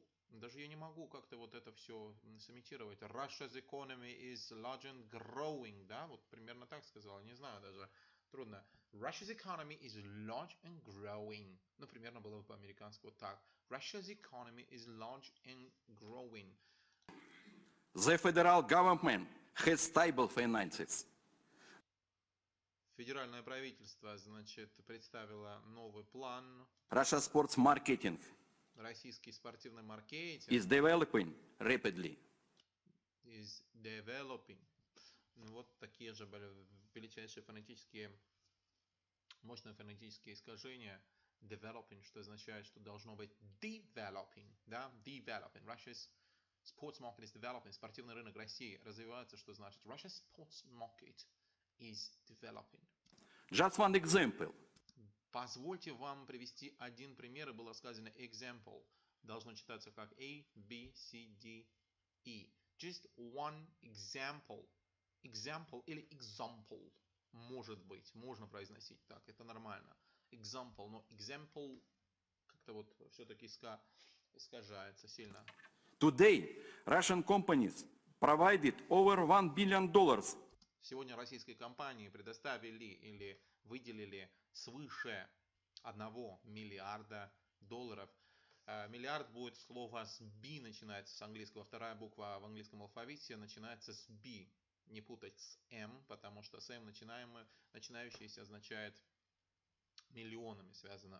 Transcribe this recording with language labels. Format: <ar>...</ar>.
<ru>Даже я не могу как-то вот это все сымитировать.</ru> <en>Russia's economy is large and growing,</en> <ru>да? Вот примерно так сказал, не знаю даже, трудно.</ru> <en>Russia's economy is large and growing.</en> <ru>Ну, примерно было бы по-американски вот так.</ru> <en>Russia's economy is large and growing. The federal government has stable finances.</en> <ru>Федеральное правительство, значит, представило новый план.</ru> <en>Russia's sports marketing.</en> <ru>Российский спортивный маркетинг</ru> <en>is developing rapidly. Is developing.</en> <ru>Ну, вот такие же величайшие фонетические, мощные фонетические искажения. Developing, что означает, что должно быть developing. Да? Developing.</ru> <en>Russia's sports market is developing.</en> <ru>Спортивный рынок России развивается, что значит.</ru> <en>Russia's sports market is developing. Just one example.</en> <ru>Позвольте вам привести один пример, и было сказано example. Должно читаться как A, B, C, D, E.</ru> <en>Just one example. Example или example.</en> <ru>Может быть, можно произносить так, это нормально. Example, но example как-то вот все-таки искажается сильно.</ru> <en>Today Russian companies provided over $1 billion.</en> <ru>Сегодня российские компании предоставили или выделили свыше 1 миллиарда долларов. Миллиард будет слово с B, начинается с английского. Вторая буква в английском алфавите начинается с B. Не путать с M, потому что с M начинающийся означает миллионами связано.</ru>